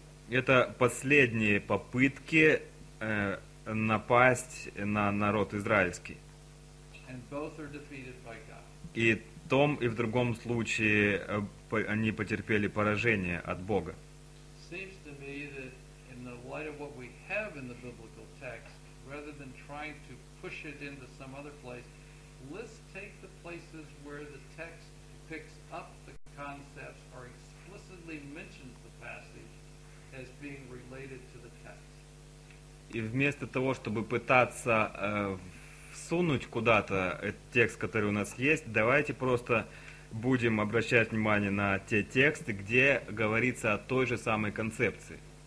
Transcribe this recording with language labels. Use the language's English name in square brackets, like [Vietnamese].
[Russian] Это последние попытки напасть на народ израильский. [English] And both are defeated by God. [Russian] И в том и в другом случае они потерпели поражение от Бога. [English] Seems to me that in the light of what we have in the biblical text, rather than trying to push it into some other place, Let's take the places where the text picks up the concepts or explicitly mentions the passage as being related to the text. [Russian] И вместо того, чтобы пытаться всунуть куда-то этот текст, который у нас есть, давайте просто будем обращать внимание на те тексты, где говорится о той же самой концепции.